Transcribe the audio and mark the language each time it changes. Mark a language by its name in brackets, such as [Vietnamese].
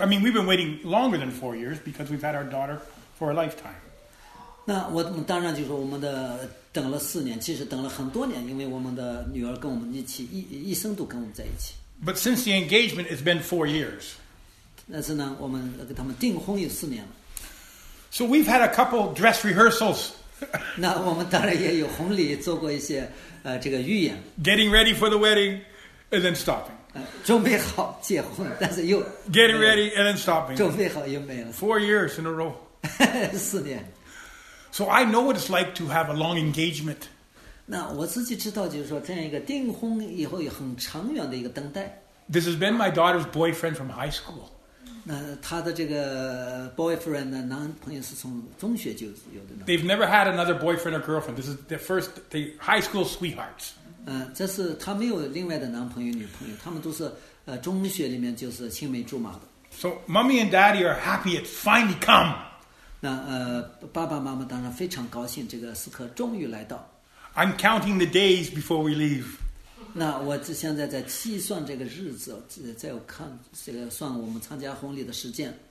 [English] I mean, we've been waiting longer than 4 years because we've had our daughter for a lifetime. [Chinese] 那我当然就说我们的等了四年，其实等了很多年，因为我们的女儿跟我们一起一生都跟我们在一起。 [English] But since the engagement, it's been 4 years. [Chinese] 但是呢，我们给他们订婚有四年了。 [English] So we've had a couple dress rehearsals. [Chinese] 那我们当然也有婚礼做过一些这个预演。 [English] Getting ready for the wedding and then stopping. [Chinese] 准备好结婚，但是又 [English] getting ready and then stopping. [Chinese] 准备好又没了。 [English] 4 years in a row. [Chinese] 四年。 [English] So I know what it's like to have a long engagement. [Chinese] 那我自己知道，就是说这样一个订婚以后有很长远的一个等待。 [English] This has been my daughter's boyfriend from high school. [Chinese] 他的这个 boyfriend 的男朋友是从中学就有的。 [English] They've never had another boyfriend or girlfriend. This is their first, the high school sweethearts. [Chinese] 这是他没有另外的男朋友女朋友，他们都是中学里面就是青梅竹马的。 [English] So mommy and daddy are happy it's finally come. [Chinese] 那爸爸妈妈当然非常高兴，这个时刻终于来到。 [English] I'm counting the days before we leave. [Chinese] 那我现在在计算这个日子，在看这个算我们参加婚礼的时间。